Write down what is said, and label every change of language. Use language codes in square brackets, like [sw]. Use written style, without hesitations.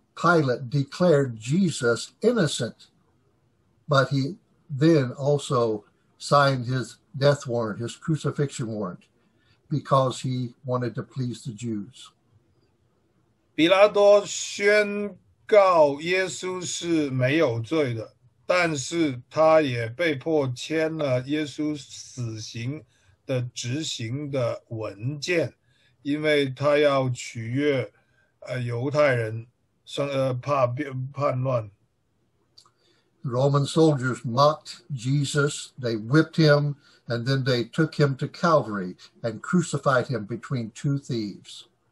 [en] Pilate declared Jesus innocent, but he then also signed his death warrant, his crucifixion warrant, because he wanted to please the Jews. [zh] 比拉多宣告耶稣是没有罪的，但是他也被迫签了耶稣死刑的执行的文件，因为他要取悦犹太人，怕叛乱。 [en] Roman soldiers mocked Jesus, they whipped him, and then they took him to Calvary and crucified him between two thieves.